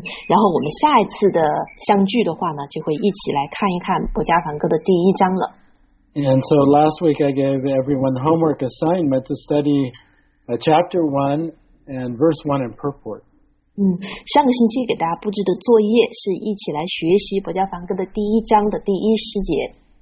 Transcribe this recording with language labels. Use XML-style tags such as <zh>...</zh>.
<zh>然后我们下一次的相聚的话呢，就会一起来看一看薄伽梵歌的第一章了。</zh> <en>And so last week I gave everyone homework assignment to study chapter 1 and verse 1 in purport.</en> <zh>上个星期给大家布置的作业是一起来学习薄伽梵歌的第一章的第一诗节。</zh>